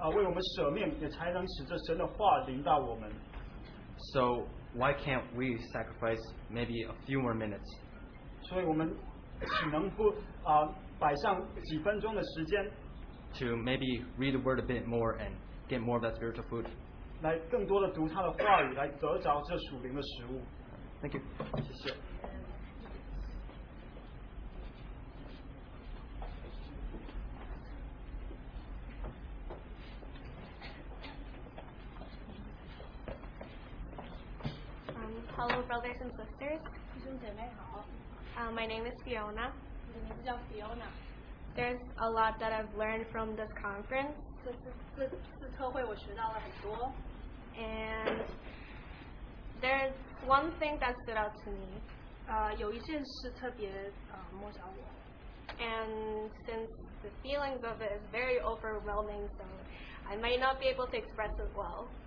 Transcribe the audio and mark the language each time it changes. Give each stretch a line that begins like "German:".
Chinese: 就是我们的主耶稣，他在十字架上为我们舍命，也才能使这神的话临到我们。
English: So why can't we sacrifice maybe a few more minutes?
Chinese: 所以我们岂能不摆上几分钟的时间
English: to maybe read the word a bit more and get more of that spiritual food?
Chinese: 来更多的读他的话语，来得着这属灵的食物。
English: Thank you.
Chinese: 谢谢。
English: Hello, brothers and sisters.
Chinese: 弟兄姐妹好。
English: My name is Fiona.
Chinese: 你的名字叫 Fiona.
English: There's a lot that I've learned from this conference.
Chinese: 这次特会我学到了很多。
English: And there's one thing that stood out to me.
Chinese: 有一件事特别摸着我。
English: And since the feelings of it is very overwhelming, so I might not be able to express it well.